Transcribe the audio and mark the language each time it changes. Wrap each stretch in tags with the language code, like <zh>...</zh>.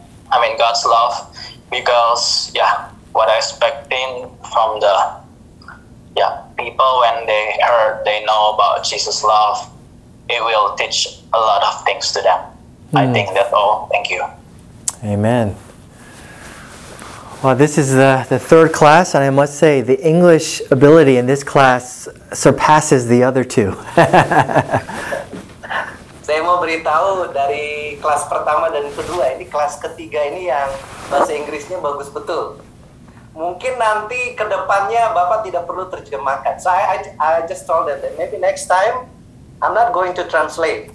<en>I mean, God's love, because yeah, what I expecting from the yeah people when they heard they know about Jesus' love, it will teach a lot of things to them. Mm. I think that's all. Thank you. Amen. Well, this is the third class, and I must say the English ability in this class surpasses the other two.</en> <id>Saya mau beritahu dari kelas pertama dan kedua, ini kelas ketiga ini yang bahasa Inggrisnya bagus betul. Mungkin nanti kedepannya Bapak tidak perlu terjemahkan.</id> <en>So I just told them that maybe next time I'm not going to translate.</en>